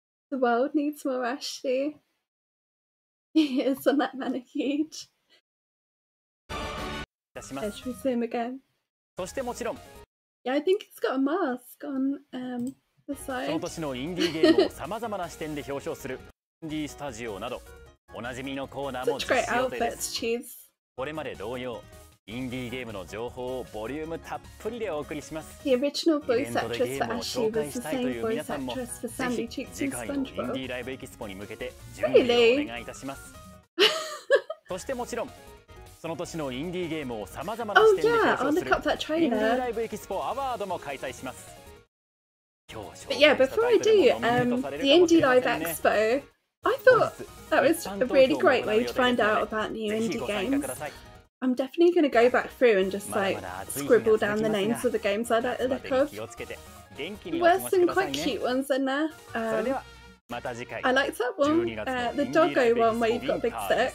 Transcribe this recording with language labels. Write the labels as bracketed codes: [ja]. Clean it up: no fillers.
[en] The world needs more Ashley. He is on that manicure. Should we see him again? [ja] そしてもちろん。 [en] Yeah, I think he's got a mask on the side. [ja] その年のインディーゲームをさまざまな視点で表彰する。インディースタジオなどおなじみのコーナーも実施予定です。これまで同様、インディーゲームの情報をボリュームたっぷりでお送りします。イベントでゲームを紹介したいという皆さんも、ぜひ次回のインディーライブエキスポに向けて準備をお願いいたします。そしてもちろん、その年のインディーゲームをさまざまな視点で表彰するインディーライブエキスポアワードも開催します。 [en] But yeah, before I do, the Indie Live Expo, I thought that was a really great way to find out about new indie games. I'm definitely going to go back through and just like scribble down the names of the games I'd like to look of. Were some quite cute ones in there. I liked that one, the doggo one where you've got a big stick.